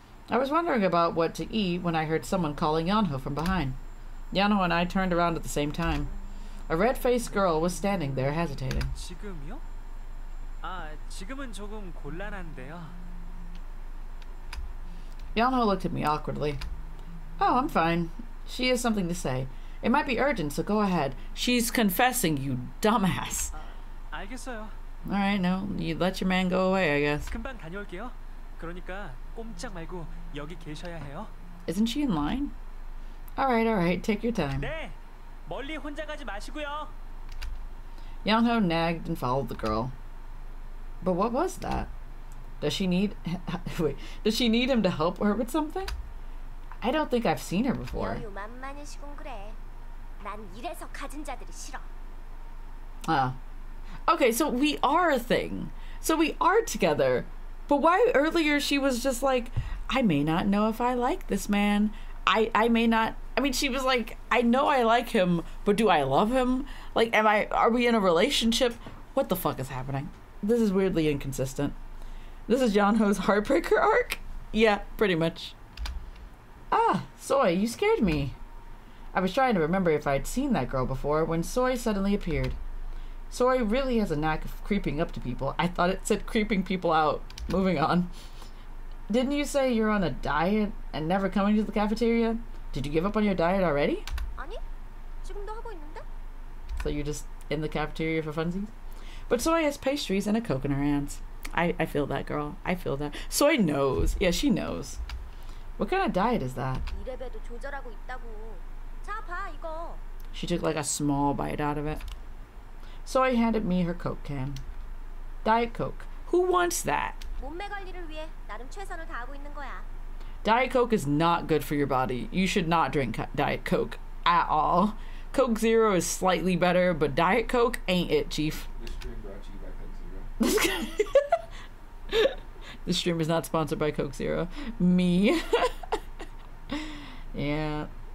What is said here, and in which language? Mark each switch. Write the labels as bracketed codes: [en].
[en] I was wondering about what to eat when I heard someone calling Yeonho from behind. Yeonho and I turned around at the same time. A red-faced girl was standing there, hesitating. [ko] 지금요? 아, 지금은 조금 곤란한데요. [en] Yeonho looked at me awkwardly. Oh, I'm fine. She has something to say. It might be urgent, so go ahead. She's confessing, you dumbass. [ko] 알겠어요. [en] All right, no, you let your man go away, I guess. [ko] 금방 다녀올게요. 그러니까 꼼짝 말고 여기 계셔야 해요. [en] Isn't she in line? All right, take your time. [ko] 네, 멀리 혼자 가지 마시고요. [en] Yeonho nagged and followed the girl. But what was that? Does she need him to help her with something? I don't think I've seen her before. [ko] 만만하시군 그래. 난 이래서 가진 자들이 싫어. [en] Ah. Okay, so we are a thing. So we are together. But why earlier she was just like, I may not know if I like this man. I may not. I mean, she was like, I know I like him, but do I love him? Like, are we in a relationship? What the fuck is happening? This is weirdly inconsistent. This is Yeonho's heartbreaker arc? Yeah, pretty much. Ah, Soy, you scared me. I was trying to remember if I'd seen that girl before when Soy suddenly appeared. Soy really has a knack of creeping up to people. I thought it said creeping people out. Moving on. Didn't you say you're on a diet and never coming to the cafeteria? Did you give up on your diet already? [ko] 아니, 지금도 하고 있는데. [en] So you're just in the cafeteria for funsies? But Soy has pastries and a Coke in her hands. I feel that, girl. I feel that. Soy knows. Yeah, she knows. What kind of diet is that? [ko] 이래봬도 조절하고 있다고. 자, 봐, 이거. [en] She took like a small bite out of it. Soy handed me her Coke can. Diet Coke. Who wants that? [ko] 몸매 관리를 위해 나름 최선을 다하고 있는 거야. [en] Diet Coke is not good for your body. You should not drink Diet Coke at all. Coke Zero is slightly better, but Diet Coke ain't it, chief. This stream brought to you by Coke Zero. This stream is not sponsored by Coke Zero. Me. Yeah.